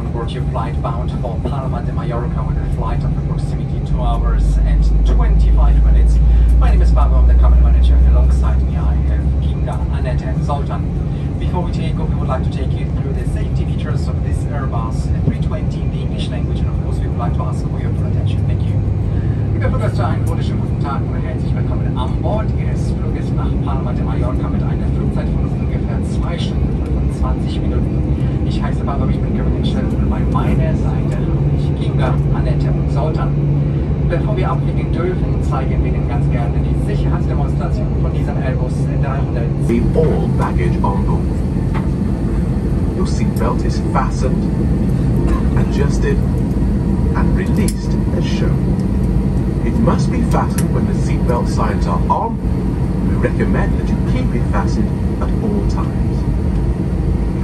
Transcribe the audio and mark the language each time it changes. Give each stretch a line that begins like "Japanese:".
English: Your flight bound for Palma de Mallorca with a flight of approximately 2 hours and 25 minutes. My name is Pablo, I'm the cabin manager, and alongside me I have Kinga, Annette and Zoltan. Before we take off, we would like to take you through the safety features of this Airbus A320 in the English language, and of course we would like to ask for your attention. Thank you.
German: Liebe Fluggäste, einen wunderschönen guten Tag und herzlich willkommen an Bord Ihres Fluges nach Palma de Mallorca mit einer Flugzeit von ungefähr 2 Stunden und 20 Minuten. Ich heiße Barbara, ich bin Kevin Schell und bei meiner Seite habe ich Kinga, Annette und Zoltan. Bevor wir abfliegen dürfen, zeigen wir Ihnen ganz gerne die Sicherheitsdemonstration von diesem Airbus 300.
English: The all baggage on board. Your seatbelt is fastened, adjusted and released as shown. It must be fastened when the seatbelt signs are on. We recommend that you keep it fastened at all times.